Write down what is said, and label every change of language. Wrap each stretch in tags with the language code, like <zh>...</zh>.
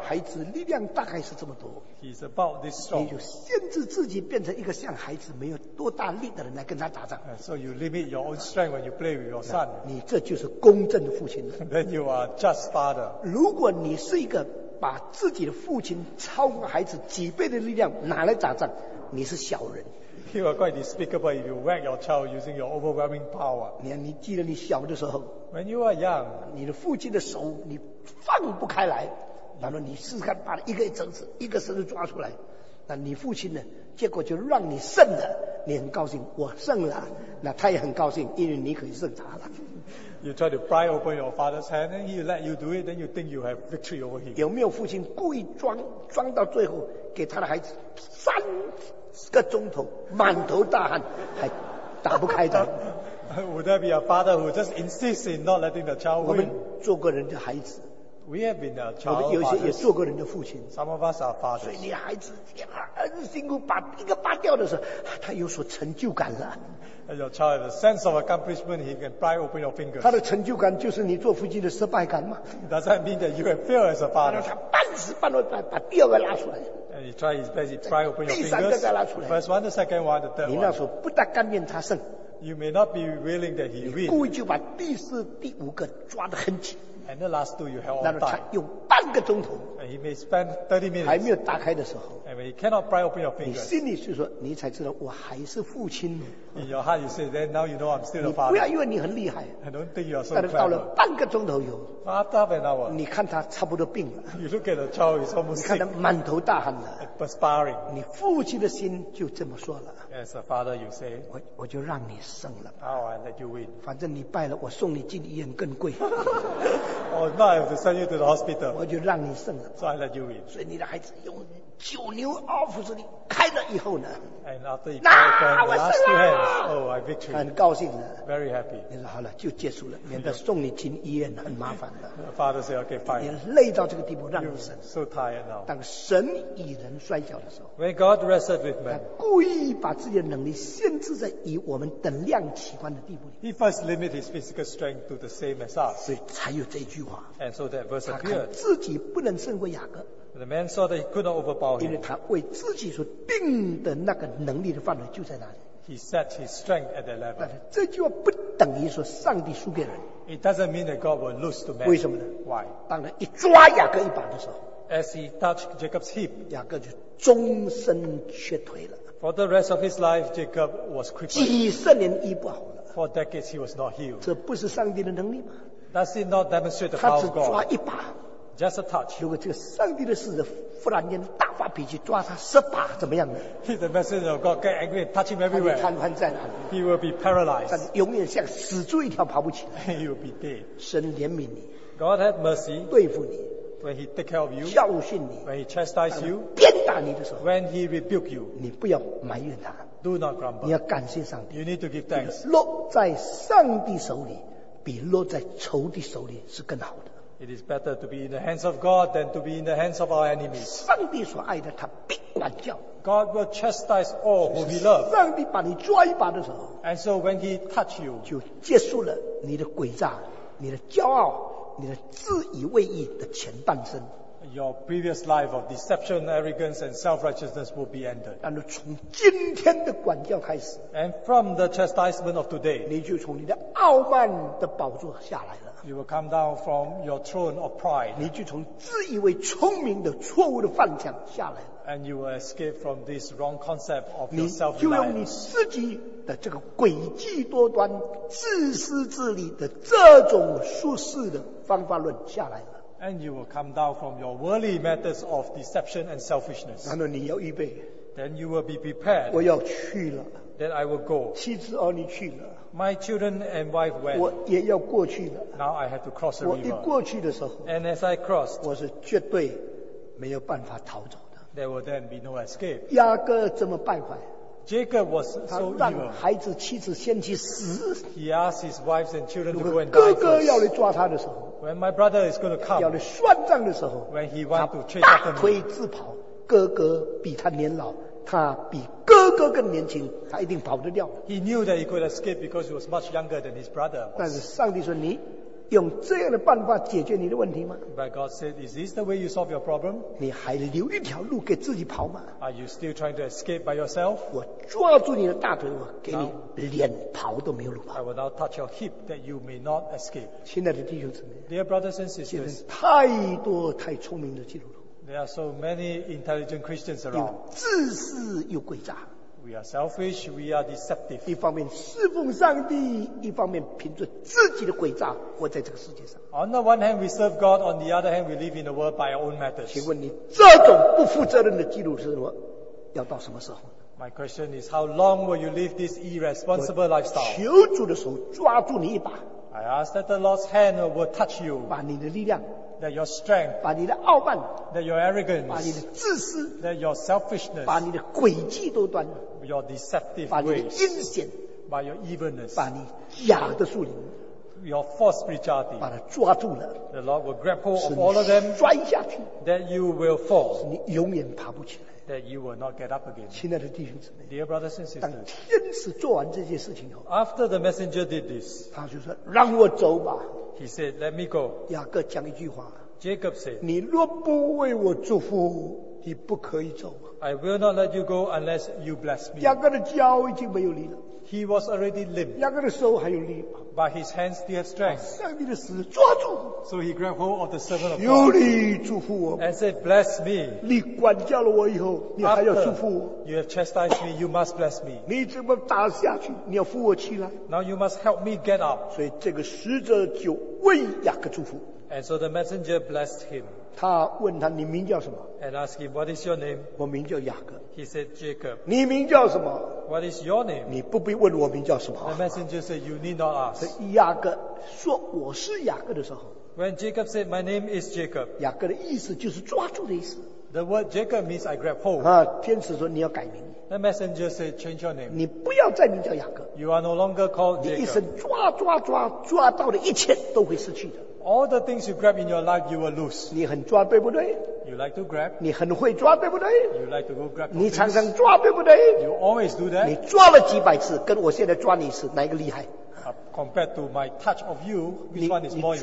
<zh>孩子力量大概是这么多。</zh> <en>He's about this strong.</en> <zh>你就限制自己变成一个像孩子没有多大力的人来跟他打仗。</zh> <en>So you limit your own strength when you play with your son.</en> <zh>你这就是公正的父亲。</zh> <en>Then you are just father.</en> <zh>如果你是一个把自己的父亲超过孩子几倍的力量拿来打仗，你是小人。</zh> <en>You are quite despicable if you whack your child using your overwhelming power.</en> <zh>你记得你小的时候，</zh> <en>when you are young,</en> <zh>你的父亲的手你放不开来，然后你试试看把一个绳子一个绳子抓出来，那你父亲呢，结果就让你胜了，你很高兴，我胜了，那他也很高兴，因为你可以胜他了。</zh> <en>You try to pry open your father's hand and he let you do it, then you think you have victory over him.</en> <zh>有没有父亲故意装到最后给他的孩子三个钟头满头大汗还打不开的？</zh> <en>Would that be a father who just insists in not letting the child win?</en> <zh>我们做过人的孩子，</zh> <en>We have been a child.</en> <zh>我们有些也做过人的父亲，</zh> <en>Some of us are fathers.</en> <zh>所以你孩子很辛苦把一个拔掉的时候，他有所成就感了。</zh> <en>Your child has a sense of accomplishment. He can pry open your fingers.</en> <zh>他的成就感就是你做父亲的失败感吗？</zh> <en>Does that mean that you have failed as a father?</en> <zh>他半死半活把第二个拉出来，</zh> <en>你 try his best, he pry open your fingers. First one, the second one, the third one.</en> <zh>你那时候不但甘愿他胜，</zh> <en>you may not be willing that he win.</en> <zh>你故意就把第四、第五个抓得很紧。</zh> <en>And the last two, you held on tight.</en> <zh>然后他用半个钟头。</zh> <en>And he may spend 30 minutes.</en> <zh>还没有打开的时候。</zh> <en>And when he cannot pry open your fingers.</en> <zh>你心里是说，你才知道我还是父亲。</zh> <en>In your heart, you say, then now you know I'm still a father.</en> <zh>你不要以为你很厉害。</zh> <en>I don't think you are so clever.</en> <zh>但是到了半个钟头以后。</zh> <en>After half an hour.</en> <zh>你看他差不多病了。</zh> <en>You look at the child, he's almost sick.</en> <zh>你看他满头大汗了。</zh> <en>Perspiring.</en> <zh>你父亲的心就这么说了。</zh> <en>As a father, you say.</en> <zh>我就让你胜了。</zh> <en>Now I let you win.</en> <zh>反正你败了，我送你进医院更贵。</zh> <en>Oh, now I have to send you to the hospital.</en> <zh>我就让你胜了。</zh> <en>So I let you win.</en> <zh>所以你的孩子用九牛二虎之力开了以后呢，那我胜了，很高兴呢。</zh> <en>Very happy.</en> <zh>你说好了，就结束了，免得送你进医院很麻烦的。</zh> <en>Father said, "Okay, fine."</en> <zh>你累到这个地步，让你生。</zh> <en>So tired now.</en> <zh>当神与人摔跤的时候</zh> <en>，When God wrestled with man,</en> <zh>他故意把自己的能力限制在以我们等量齐观的地步里。</zh> <en>He first limited his physical strength to the same as us.</en> <zh>所以才有这句话。</zh> <en>And so that verse appeared.</en> <zh>他看自己不能胜过雅各。</zh> <en>The man saw that he could not overpower him.</en> <zh>因为他为自己所定的那个能力的范围就在那里。</zh> <en>He set his strength at that level.</en> <zh>但是这句话不等于说上帝输给人。</zh> <en>It doesn't mean that God will lose to man.</en> <zh>为什么呢</zh> <en>？Why?</en> <zh>当他一抓雅各一把的时候</zh> <en>，As he touched Jacob's hip,</en> <zh>雅各就终身瘸腿了。</zh> <en>For the rest of his life, Jacob was crippled.</en> <zh>几十年医不好了。</zh> <en>For decades, he was not healed.</en> <zh>这不是上帝的能力吗</zh> <en>？Does it not demonstrate the power of God?</en> <zh>他只抓一把。</zh> <en>Just a touch.</en> <zh>如果这个上帝的使者忽然间大发脾气抓他十把怎么样呢</zh> <en>？The messenger of God get angry, touch him everywhere.</en> <zh>他瘫痪在哪里</zh> <en>？He will be paralyzed.</en> <zh>但永远像死猪一条跑不起来。</zh> <en>He will be dead.</en> <zh>神怜悯你</zh> <en>，God had mercy.</en> <zh>对付你</zh> <en>，When he take care of you.</en> <zh>教训你</zh> <en>，When he chastise you.</en> <zh>鞭打你的时候</zh> <en>，When he rebuke you.</en> <zh>你不要埋怨他</zh> <en>，Do not grumble.</en> <zh>你要感谢上帝</zh> <en>，You need to give thanks.</en> <zh>落在上帝手里比落在仇敌手里是更好的。</zh> <en>It is better to be in the hands of God than to be in the hands of our enemies.</en> <zh>上帝所爱的他必管教。</zh> <en>God will chastise all who he loves.</en> <zh>上帝把你抓一把的时候。</zh> <en>And so when he touch you.</en> <zh>就结束了你的诡诈、你的骄傲、你的自以为意的前半生。</zh> <en>Your previous life of deception, arrogance, and self-righteousness will be ended.</en> <zh>然后从今天的管教开始。</zh> <en>And from the chastisement of today.</en> <zh>你就从你的傲慢的宝座下来了。</zh> <en>You will come down from your throne of pride.</en> <zh>你就从自以为聪明的错误的幻想下来。</zh> <en>And you will escape from this wrong concept of your self-reliance.</en> <zh>你就用你自己的这个诡计多端、自私自利的这种术士的方法论下来了。</zh> <en>And you will come down from your worldly methods of deception and selfishness.</en> <zh>然后你要预备。</zh> <en>Then you will be prepared.</en> <zh>我要去了。</zh> <en>Then I will go.</en> <zh>妻子儿女去了。</zh> <en>My children and wife went.</en> <zh>我也要过去了。</zh> <en>Now I have to cross the river.</en> <zh>我一过去的时候</zh> <en>，And as I crossed,</en> <zh>我是绝对没有办法逃走的。</zh> <en>There will then be no escape.</en> <zh>雅各这么败坏</zh> <en>，Jacob was so evil.</en> <zh>他让孩子、妻子先去死。</zh> <en>He asked his wives and children to go and die.</en> <zh>哥哥要来抓他的时候</zh> <en>，When my brother is going to come,</en> <zh>要来算账的时候</zh> <en>，When he want to chase after me,</en> <zh>他大推自跑。哥哥比他年老，他比。哥哥更年轻，他一定跑得掉。</zh> <en>He knew that he could escape because he was much younger than his brother.</en> <zh>但是上帝说：“你用这样的办法解决你的问题吗</zh> <en>？”But God said, "Is this the way you solve your problem?"</en> <zh>你还留一条路给自己跑吗</zh> <en>？Are you still trying to escape by yourself?</en> <zh>我抓住你的大腿，我给你连跑都没有路跑。</zh> <en>I will now touch your hip that you may not escape.</en> <zh>亲爱的弟兄姊妹</zh> <en>，Dear brothers and sisters，</en> <zh>太多太聪明的基督徒。</zh> <en>There are so many intelligent Christians around.</en> <zh>又自私又诡诈。</zh> <en>We are selfish, we are deceptive.</en> <zh>一方面侍奉上帝，一方面凭着自己的诡诈活在这个世界上。</zh> <en>On the one hand, we serve God. On the other hand, we live in the world by our own methods.</en> <zh>请问你这种不负责任的基督徒，要到什么时候？</zh> <en>My question is, how long will you live this irresponsible lifestyle?</en> <zh>求主的手抓住你一把。</zh> <en>I ask that the Lord's hand will touch you.</en> <zh>把你的力量。</zh> <en>That your strength,</en> <zh>把你的傲慢</zh> <en>that your arrogance,</en> <zh>把你的自私</zh> <en>that your selfishness,</en> <zh>把你的诡计多端</zh> <en>your deceptive ways,</en> <zh>把你的阴险</zh> <en>by your evilness,</en> <zh>把你假的树林</zh> <en>your false spirituality,</en> <zh>把它抓住了</zh> <en>the Lord will grab hold of all of them,</en> <zh>摔下去</zh> <en>that you will fall,</en> <zh>你永远爬不起来</zh> <en>that you will not get up again.</en> <zh>亲爱的弟兄姊妹</zh> <en>dear brothers and sisters,</en> <zh>当天使做完这件事情以后</zh> <en>after the messenger did this,</en> <zh>他就说让我走吧</zh> <en>He said, "Let me go."</en> <zh>雅各讲一句话。</zh> <en>Jacob said,</en> <zh>你若不为我祝福，你不可以走。</zh> <en>I will not let you go unless you bless me.</en> <zh>雅各的脚已经没有力了。</zh> <en>He was already limp.</en> <zh>雅各的手还有力。</zh> <en>But his hands still have strength.</en> <zh>上帝的使者抓住。</zh> <en>So he grabbed hold of the servant of God.</en> <zh>求你祝福我。</zh> <en>And said, "Bless me."</en> <zh>你管教了我以后，你还要祝福我。</zh> <en>After you have chastised me, you must bless me.</en> <zh>你怎么打下去？你要扶我起来。</zh> <en>Now you must help me get up.</en> <zh>所以这个使者就为雅各祝福。</zh> <en>And so the messenger blessed him.</en> <zh>他问他你名叫什么</zh> <en>？And asked him, "What is your name?"</en> <zh>我名叫雅各。</zh> <en>He said, "Jacob."</en> <zh>你名叫什么</zh> <en>？What is your name?</en> <zh>你不必问我名叫什么。</zh> <en>The messenger said, "You need not ask."</en> <zh>雅各说我是雅各的时候</zh> <en>，When Jacob said, "My name is Jacob."</en> <zh>雅各的意思就是抓住的意思。</zh> <en>The word Jacob means I grab hold.</en> <zh>啊，天使说你要改名。</zh> <en>The messenger said change your name.</en> <zh>你不要再名叫雅各。</zh> <en>You are no longer called Jacob.</en> <zh>你一生抓抓抓抓到的一切都会失去的。</zh> <en>All the things you grab in your life, you will lose.</en> <zh>你很抓对不对？</zh> <en>You like to grab.</en> <zh>你很会抓对不对？</zh> <en>You like to go grab.</en> <zh>你常常抓对不对？</zh> <en>You always do that.</en> <zh>你抓了几百次，跟我现在抓你一次，哪一个厉害？</zh> <en>Compared to my touch of you, which one is more important?</en>